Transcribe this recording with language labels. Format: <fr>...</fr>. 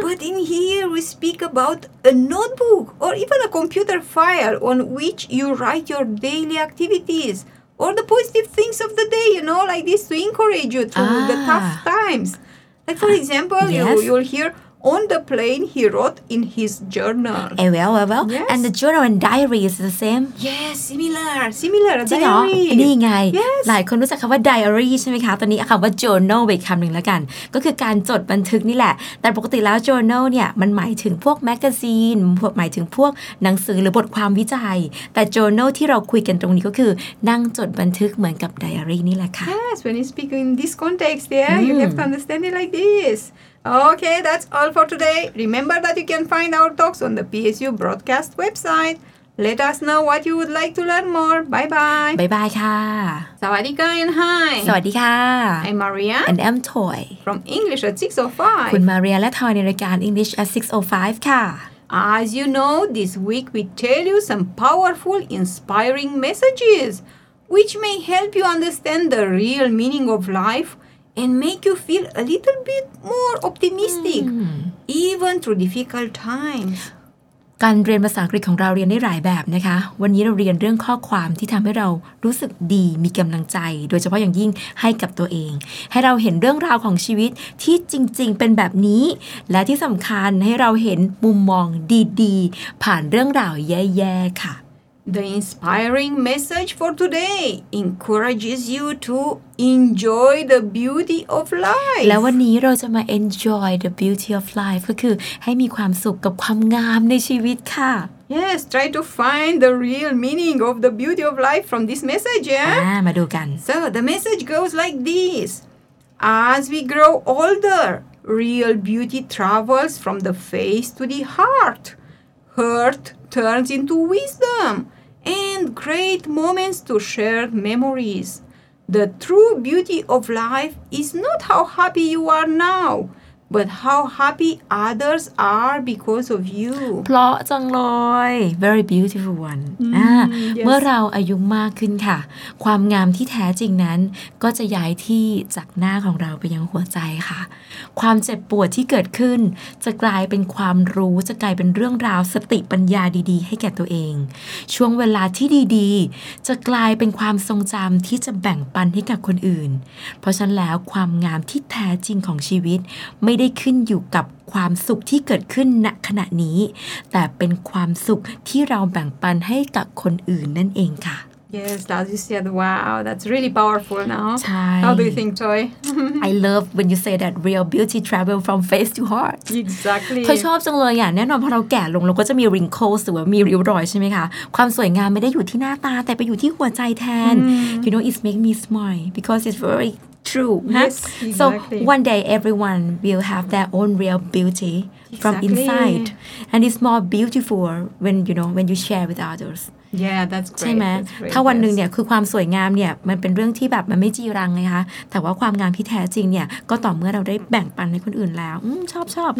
<en>But in here we speak about a notebook or even a computer file on which you write your daily activities. Or the positive things of the day, you know, like this to encourage you through the tough times. Like, for example, you'll hear on the plane he wrote in his journal. Well. Yes. And the journal and diary is the same? Yes, similar, diary. จริ</en> <th>งเหรอ นี่ไง หลายคนรู้จักคำว่า diary ใช่ไหมคะ ตอนนี้คำว่า journal ไปคำหนึ่งแล้วกันก็คือการจดบันทึกนี่แหละแต่ปกติแล้ว journal เนี่ยมันหมายถึงพวก magazine หมายถึงพวกหนังสือหรือบทความวิจัยแต่ journal ที่เราคุยกันตรงนี้ก็คือนั่งจดบันทึกเหมือนกับ diary นี่แหละค่ะ</th> <en>Yes, when you speak in this context, yeah, you have to understand it like thisOkay, that's all for today. Remember that you can find our talks on the PSU broadcast website. Let us know what you would like to learn more. Bye-bye. Bye-bye, ka. Sawadika and hi. Sawadika. I'm Maria. And I'm Toy. From English at 6:05.</en> <th>คุณ Maria และ Toy ในรายการ English at 6:05, ka.</th> <en>As you know, this week we tell you some powerful, inspiring messages, which may help you understand the real meaning of life,and make you feel a little bit more optimistic, even through difficult times.</en> <th>การเรียนภาษาอังกฤษของเราเรียนได้หลายแบบนะคะวันนี้เราเรียนเรื่องข้อความที่ทำให้เรารู้สึกดีมีกำลังใจโดยเฉพาะอย่างยิ่งให้กับตัวเองให้เราเห็นเรื่องราวของชีวิตที่จริงๆเป็นแบบนี้และที่สำคัญให้เราเห็นมุมมองดีๆผ่านเรื่องราวแย่ๆค่ะ</th> <en>The inspiring message for today encourages you to enjoy the beauty of life.</en> <th>แล้ววันนี้เราจะมา</th> <en>enjoy the beauty of life</en> <th>ก็คือให้มีความสุขกับความงามในชีวิตค่ะ</th> <en>Yes, try to find the real meaning of the beauty of life from this message, yeah?</en> <th>มาดูกัน</th> <en>So, the message goes like this. As we grow older, real beauty travels from the face to the heart. Hurt. Turns into wisdom and great moments to share memories. The true beauty of life is not how happy you are now, but how happy others are because of you.</en> <th>เพราะจังเลย</th> <en>very beautiful one.</en> <th>เมื่อเราอายุมากขึ้นค่ะความงามที่แท้จริงนั้นก็จะย้ายที่จากหน้าของเราไปยังหัวใจค่ะความเจ็บปวดที่เกิดขึ้นจะกลายเป็นความรู้จะกลายเป็นเรื่องราวสติปัญญาดีๆให้แก่ตัวเอง ช่วงเวลาที่ดีๆจะกลายเป็นความทรงจำที่จะแบ่งปันให้กับคนอื่นเพราะฉะนั้นแล้วความงามที่แท้จริงของชีวิตไม่ได้ขึ้นอยู่กับความสุขที่เกิดขึ้นณขณะนี้แต่เป็นความสุขที่เราแบ่งปันให้กับคนอื่นนั่นเองค่ะ</th> <en>Yes, as you said, wow, that's really powerful now. How do you think, Toy? I love when you say that real beauty travels from face to heart. Exactly.</en> <th>Toy ชอบจังเลยอ่ะแน่นอนพอเราแก่ลงเราก็จะมี wrinkles หรือว่ามีริ้วรอยใช่ไหมคะความสวยงามไม่ได้อยู่ที่หน้าตาแต่ไปอยู่ที่หัวใจแทน</th> <en>You know, it makes me smile because it's very true. Yes, exactly. So one day everyone will have their own real beauty from inside. And it's more beautiful when, you know, when you share with others. Yeah, that's great.</en> <th>ใช่ไหมถ้าวันหนึ่งเนี่ยคือความสวยงามเนี่ยมันเป็นเรื่องที่แบบมันไม่จีรังไงคะแต่ว่าความงามที่แท้จริงเนี่ยก็ต่อเมื่อเราได้แบ่งปันให้คนอื่นแล้วชอบ</th>